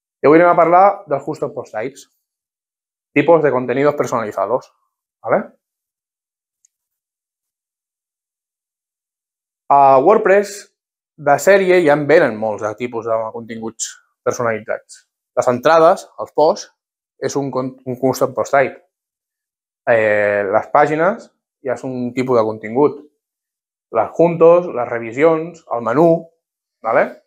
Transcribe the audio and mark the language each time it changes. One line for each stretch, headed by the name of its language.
Spanish: Y hoy vamos a hablar de los custom post types, tipos de contenidos personalizados, ¿vale?
Catalan: A WordPress, de sèrie, ja en venen molts de tipus de continguts personalitzats. Les entrades, els posts, és un custom post type. Les pàgines ja és un tipus de contingut. Les juntos, les revisions, el menú, ¿vale?